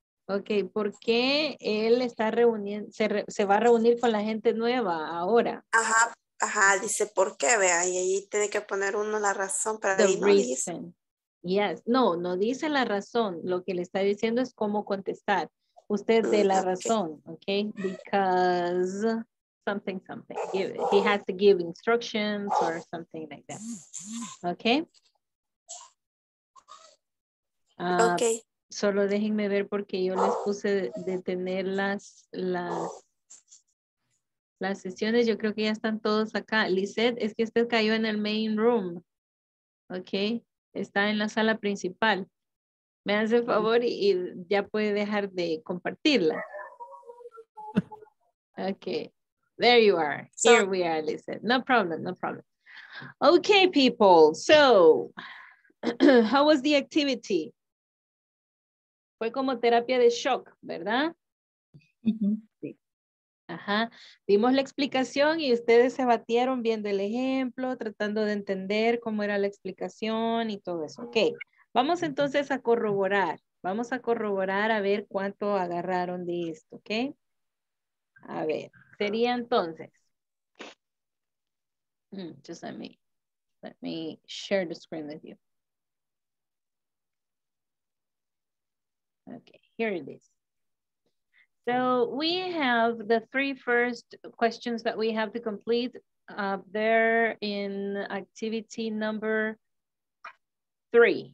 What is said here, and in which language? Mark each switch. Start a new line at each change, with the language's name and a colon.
Spanish: Okay, ¿por qué él está reuniendo, se va a reunir con la gente nueva ahora? Ajá. Ajá, dice, ¿por qué? Vea, y ahí tiene que poner uno la razón, pero
English: the
Spanish: ahí no
English: reason.
Spanish: Dice. Yes, no dice la razón, lo que le está diciendo es cómo contestar. Usted dé la razón, okay?
English: Because something. He has to give instructions or something like that. Okay? Okay.
Spanish: Solo déjenme ver porque yo les puse de tener las sesiones, yo creo que ya están todos acá. Lizeth, es que usted cayó en el main room. Ok. Está en la sala principal. Me hace el favor y ya puede dejar de compartirla.
English: Ok. There you are. Here we are, Lizeth. No problem. Ok, people. So, how was the activity?
Spanish: Fue como terapia de shock, ¿verdad? Ajá, dimos la explicación y ustedes se batieron viendo el ejemplo, tratando de entender cómo era la explicación y todo eso. Ok, vamos entonces a corroborar. Vamos a corroborar a ver cuánto agarraron de esto, ok. A ver, sería entonces.
English: Just let me share the screen with you. Ok, here it is. So we have the three first questions that we have to complete up there in activity number three.